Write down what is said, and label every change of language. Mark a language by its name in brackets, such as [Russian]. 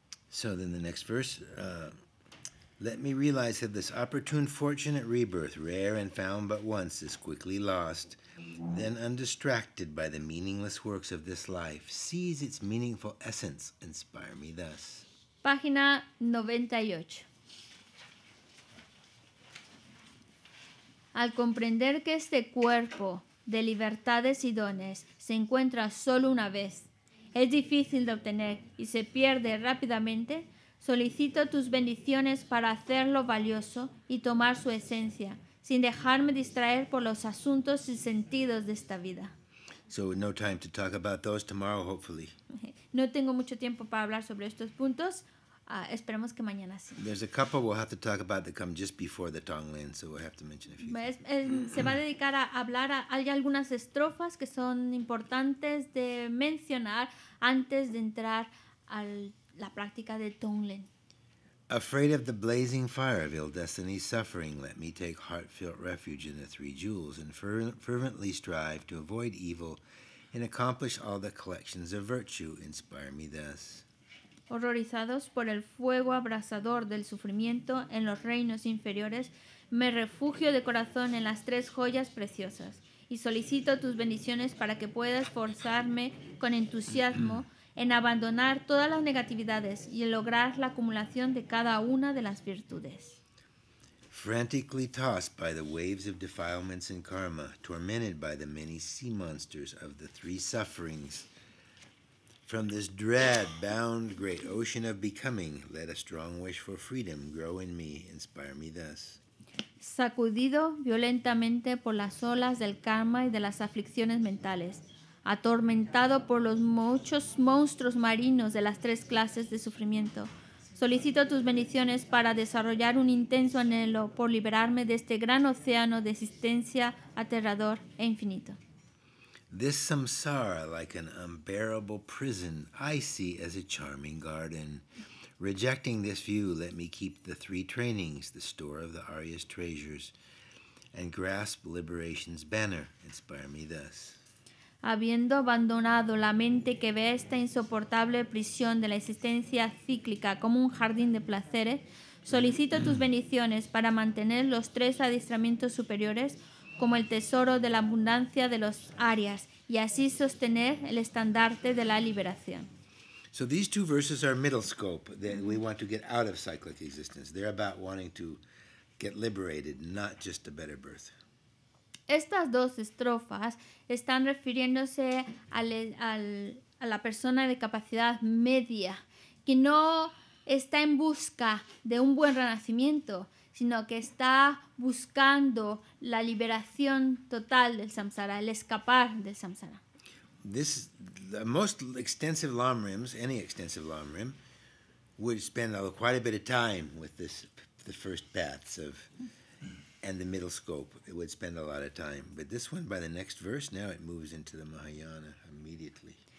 [English] So then the next verse... Let me realize that this opportune, fortunate rebirth, rare and found but once, is quickly lost. Then, undistracted by the meaningless works of this life, sees its meaningful essence, inspire me thus. [Spanish] Página 98. Al comprender que este cuerpo de libertades y dones se encuentra solo una vez, es difícil de obtener y se pierde rápidamente, solicito tus bendiciones para hacerlo valioso y tomar su esencia, sin dejarme distraer por los asuntos y sentidos de esta vida. [English] So no time to talk about those tomorrow, hopefully. [Spanish] No tengo mucho tiempo para hablar sobre estos puntos. Esperemos que mañana sí. [English] There's a couple we'll have to talk about that come just before the Tonglen, so we'll have to mention a few. [Spanish] Se va a dedicar a hablar, hay algunas estrofas que son importantes de mencionar antes de entrar a la práctica de Tonglen. [English] Afraid of the blazing fire of ill destiny suffering, let me take heartfelt refuge in the three jewels and fervently strive to avoid evil and accomplish all the collections of virtue. Inspire me thus. [Spanish] Horrorizados por el fuego abrasador del sufrimiento en los reinos inferiores, me refugio de corazón en las tres joyas preciosas y solicito tus bendiciones para que pueda esforzarme con entusiasmo en abandonar todas las negatividades y en lograr la acumulación de cada una de las virtudes. [English] Frantically tossed by the waves of defilements and karma, tormented by the many sea monsters of the three sufferings, from this dread-bound great ocean of becoming, let a strong wish for freedom grow in me. Inspire me thus. [Spanish] Sacudido violentamente por las olas del karma y de las aflicciones mentales, atormentado por los muchos monstruos marinos de las tres clases de sufrimiento, solicito tus bendiciones para desarrollar un intenso anhelo por liberarme de este gran océano de existencia aterrador e infinito. [English] This samsara, like an unbearable prison, I see as a charming garden. Rejecting this view, let me keep the three trainings, the store of the Arya's treasures, and grasp liberation's banner. Inspire me thus. [Spanish] Habiendo abandonado la mente que ve esta insoportable prisión de la existencia cíclica como un jardín de placeres, solicito tus bendiciones para mantener los tres adiestramientos superiores como el tesoro de la abundancia de los Arias y así sostener el estandarte de la liberación. [English] So these two verses are middle scope that we want to get out of cyclic existence. They're about wanting to get liberated, not just a better birth. [Spanish] Estas dos estrofas están refiriéndose a la persona de capacidad media, que no está en busca de un buen renacimiento, sino que está buscando la liberación total del samsara, el escapar del samsara. [English] This, the most extensive lamrims, any extensive lamrim, would spend quite a bit of time with this, the first paths of... and the middle scope, it would spend a lot of time. But this one, by the next verse, now it moves into the Mahayana immediately.